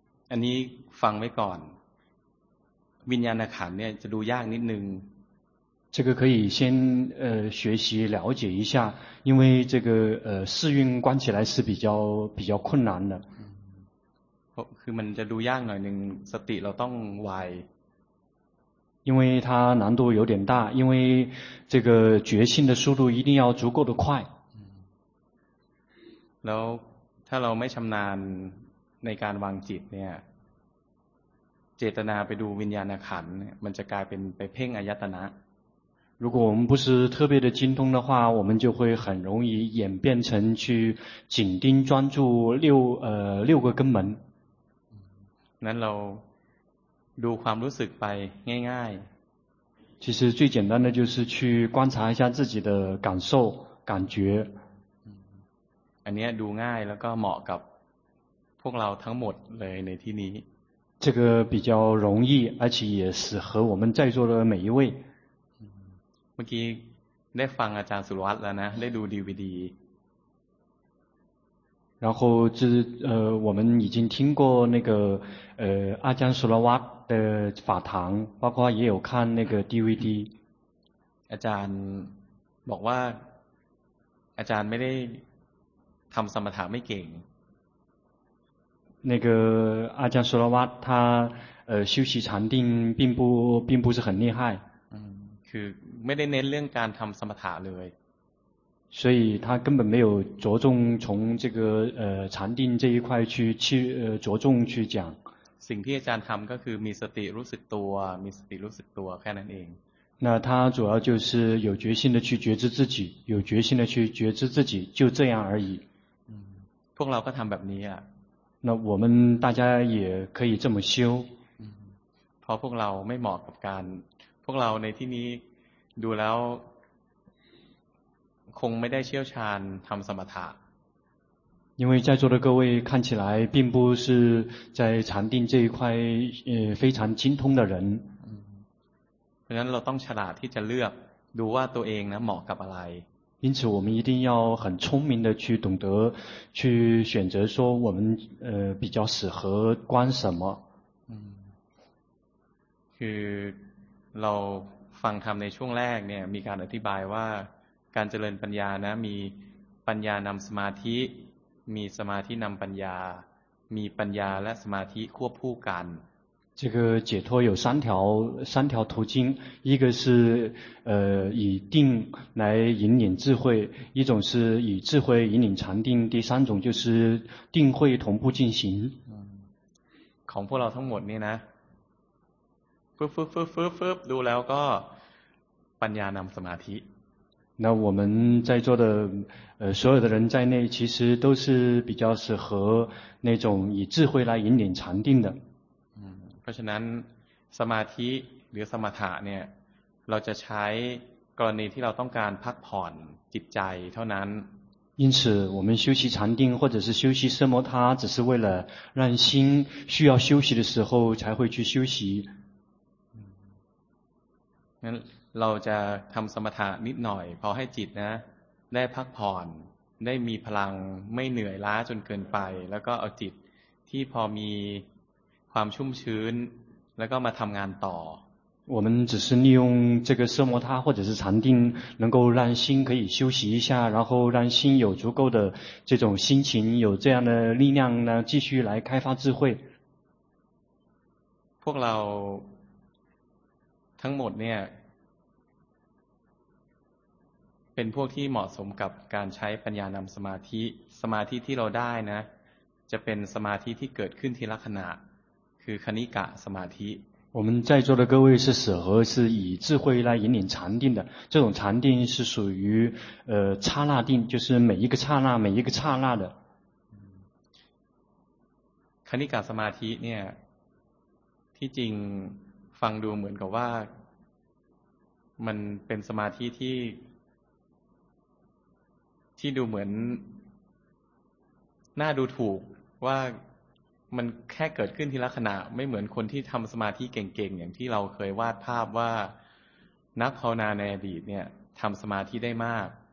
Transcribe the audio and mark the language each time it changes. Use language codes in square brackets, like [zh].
[th] อันนี้ฟังไว้ก่อนวิญญาณขันธ์เนี่ยจะดูยากนิดนึง [zh] 这个可以先学习了解一下因为这个四蕴观起来是比较困难的 [th] คือมันจะดูยากหน่อยนึงสติเราต้องไว [zh] 因为它难度有点大因为这个觉性的速度一定要足够的快 [th] แล้วถ้าเราไม่ชำนาญในการวางจิตเนี่ยเจตนาไปดูวิญญาณขันธ์มันจะกลายเป็นไปเพ่งอายตนะ [zh] 如果我们不是特别的精通的话我们就会很容易演变成去紧盯专注六个根门 [th] นั้นเราดูความรู้สึกไปง่าย [zh] ๆ其实最简单的就是去观察一下自己的感受感觉 [th] อันนี้ดูง่ายแล้วก็เหมาะกับพวกเราทั้งหมดเลยในที่นี้ [zh] 这个比较容易而且也适合我们在座的每一位 [th] เมื่อกี้ได้ฟังอาจารย์สุรวัตรแล้วนะได้ดูดีวีดี [zh] 然后这我们已经听过那个阿江苏拉瓦的法堂包括也有看那个 DVD [th] อาจารย์บอกว่าอาจารย์ไม่ได้ทำสมถะไม่เก่ง [zh] 那个阿江苏拉瓦他修习禅定并不是很厉害 [th] คือไม่ได้เน้นเรื่องการทำสมถะเลย [zh] 所以他根本没有着重从这个禅定这一块去着重去讲 [th] สิ่งที่อาจารย์ทำก็คือมีสติรู้สึกตัวมีสติรู้สึกตัวแค่นั้นเอง [zh] 那他主要就是有决心的去觉知自己有决心的去觉知自己就这样而已 [th] พวกเราก็ทำแบบนี้อ่ะ [zh] 那我们大家也可以这么修 [th] เพราะพวกเราไม่เหมาะกับการพวกเราในที่นี้ดูแล้วคงไม่ได้เชี่ยวชาญทำสมถะ [zh] 因为在座的各位看起来并不是在禅定这一块非常精通的人 [th] เพราะฉะนั้นเราต้องฉลาดที่จะเลือกดูว่าตัวเองนะเหมาะกับอะไร [zh] 因此我们一定要很聪明的去懂得去选择说我们比较适合观什么 [th] คือเราฟังธรรมในช่วงแรกเนี่ยมีการอธิบายว่าการเจริญปัญญานะมีปัญญานำสมาธิมีสมาธินำปัญญามีปัญญาและสมาธิควบคู่กัน [zh] 这个解脱有三条途径一个是以定来引领智慧一种是以智慧引领禅定第三种就是定慧同步进行 [th] ของพวกเราทั้งหมดนี่นะฟึบฟึบฟึบฟึบฟึบดูแล้วก็ปัญญานำสมาธิ [zh] 那我们在座的所有的人在内，其实都是比较适合那种以智慧来引领禅定的。 [th] เพราะฉะนั้นสมาธิหรือสมถะเนี่ยเราจะใช้กรณีที่เราต้องการพักผ่อนจิตใจเท่านั้น。 [zh] 因此，我们修习禅定或者是修习奢摩他，只是为了让心需要休息的时候才会去休息。 [th] งั้นเราจะทำสมถะนิดหน่อยพอให้จิตนะได้พักผ่อนได้มีพลังไม่เหนื่อยล้าจนเกินไปแล้วก็เอาจิตที่พอมีความชุ่มชื้นแล้วก็มาทำงานต่อ [zh] 我们只是利用这个奢摩他或者是禅定能够让心可以休息一下然后让心有足够的这种心情有这样的力量呢继续来开发智慧 [th] พวกเราทั้งหมดเนี่ยเป็นพวกที่เหมาะสมกับการใช้ปัญญานำสมาธิสมาธิที่เราได้นะจะเป็นสมาธิที่เกิดขึ้นทีละขณะคือคณิกะสมาธิ [zh] 我们在座的各位是适合是以智慧来引领禅定的这种禅定是属于刹那定就是每一个刹那每一个刹那的 [th] คณิกะสมาธิเนี่ยที่จริงฟังดูเหมือนกับว่ามันเป็นสมาธิที่ดูเหมือนน่าดูถูกว่ามันแค่เกิดขึ้นทีละขณะไม่เหมือนคนที่ทำสมาธิเก่งๆอย่างที่เราเคยวาดภาพว่านักภาวนาในอดีตเนี่ยทำสมาธิได้มาก